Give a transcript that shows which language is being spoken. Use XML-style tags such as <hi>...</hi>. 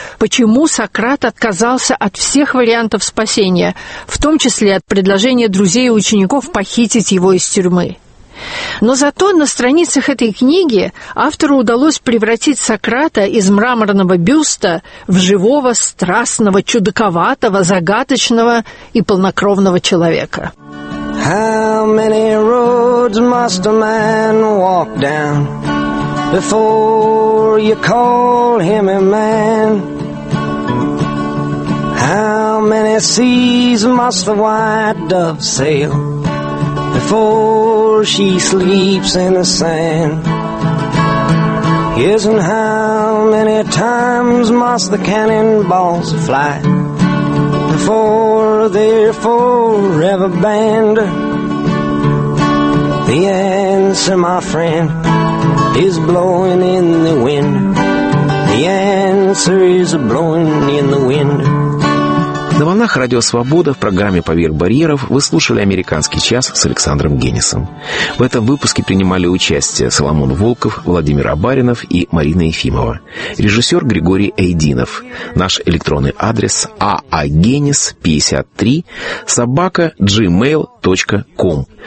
<ru>Почему Сократ отказался от всех вариантов спасения, в том числе от предложения друзей и учеников похитить его из тюрьмы? Но зато на страницах этой книги автору удалось превратить Сократа из мраморного бюста в живого, страстного, чудаковатого, загадочного и полнокровного человека.</ru> <en>How many roads must a man walk down before you call him a man? How many seas must the white dove sail before she sleeps in the sand? Yes, and how many times must the cannonballs fly before they're forever banned? The answer, my friend, is blowing in the wind. The answer is blowing in the wind.</en> <ru>На волнах «Радио Свобода» в программе «Поверх барьеров» вы слушали «Американский час» с Александром Генисом. В этом выпуске принимали участие Соломон Волков, Владимир Абаринов и Марина Ефимова. Режиссер Григорий Эйдинов. Наш электронный адрес aagenis53@gmail.com.</ru>